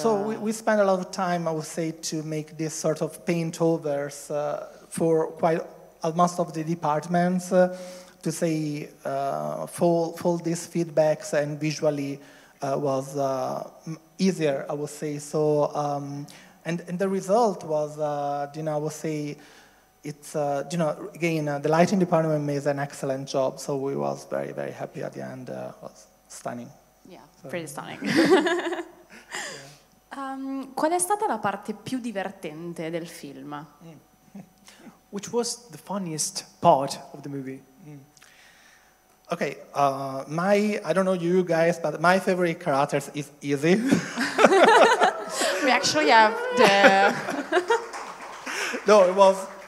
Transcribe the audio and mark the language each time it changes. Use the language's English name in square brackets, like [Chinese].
[English] So we spend a lot of time, I would say, to make this sort of paint overs for quite most of the departments to say fold these feedbacks, and visually was easier, I would say. So and the result was, I would say. It's, the lighting department made an excellent job, so we was very, very happy at the end. It was stunning. Yeah, so. Pretty stunning. [Italian] Qual è stata la parte più divertente del film? Mm. [English] Which was the funniest part of the movie? Mm. Okay, I don't know you guys, but my favorite character is Izzy. We actually have the... No, it was...